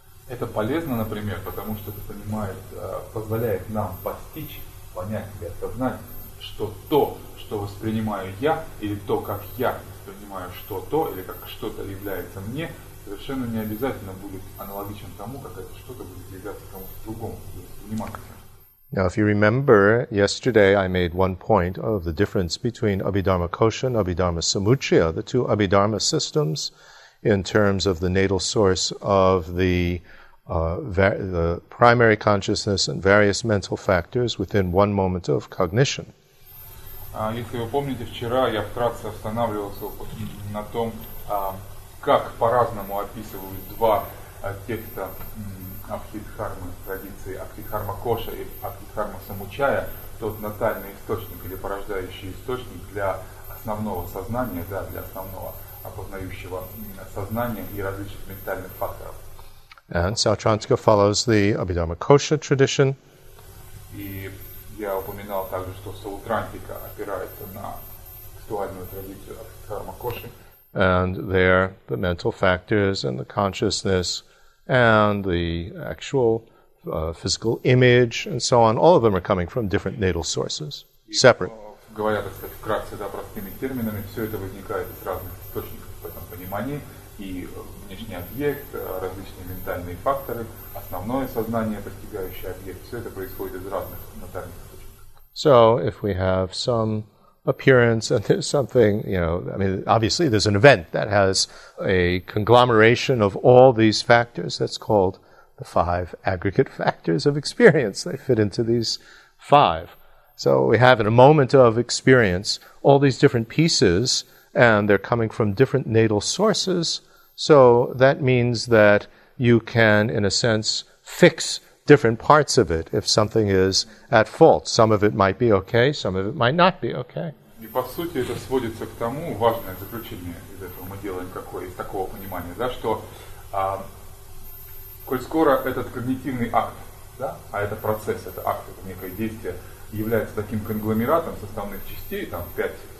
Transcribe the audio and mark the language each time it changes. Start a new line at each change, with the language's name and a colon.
Russian: Это полезно, например, потому что это понимает, позволяет нам постичь, понять или осознать, что то, что воспринимаю я, или то, как я воспринимаю что-то, или как что-то является мне, совершенно не обязательно будет аналогичен тому, как это что-то будет являться кому-то другому, восприниматься.
English: Now, if you remember, yesterday I made one point of the difference between Abhidharma Kosha and Abhidharma Samuchya, the two Abhidharma systems, in terms of the natal source of the primary consciousness and various mental factors within one moment of cognition.
Russian: Если вы помните, вчера я вкратце останавливался на том, как по-разному описывают два аспекта Абхидхармы, традиции Абхидхарма Коша и Абхидхарма Самучая, тот натальный источник или порождающий источник для основного сознания, да, для основного опознающего сознание и различных ментальных факторов.
English: And Сауатрантика follows the Abhidharma Kosha tradition.
Russian: И я упоминал также, что Саутрантика опирается на актуальную традицию Абхидхарма Коши.
English: And there, the mental factors and the consciousness and the actual physical image and so on, all of them are coming from different natal sources, separate.
Russian: Говоря, так сказать, вкратце, да, простыми терминами, все это возникает из разных источников в этом понимании, и внешний объект, различные ментальные факторы, основное сознание, постигающее объект, все это происходит из разных ментальных источников.
English: So, if we have some appearance and there's something, you know, I mean, obviously there's an event that has a conglomeration of all these factors, that's called the five aggregate factors of experience. They fit into these five. So we have in a moment of experience all these different pieces, and they're coming from different natal sources. So that means that you can, in a sense, fix different parts of it if something is at fault. Some of it might be okay, some of it might not be okay.
Russian: И по сути это сводится к тому, важное заключение из этого мы делаем какое из такого понимания, да, что коль скоро этот когнитивный акт, да, а это процесс, это акт, это некое действие, является таким конгломератом составных частей, там пять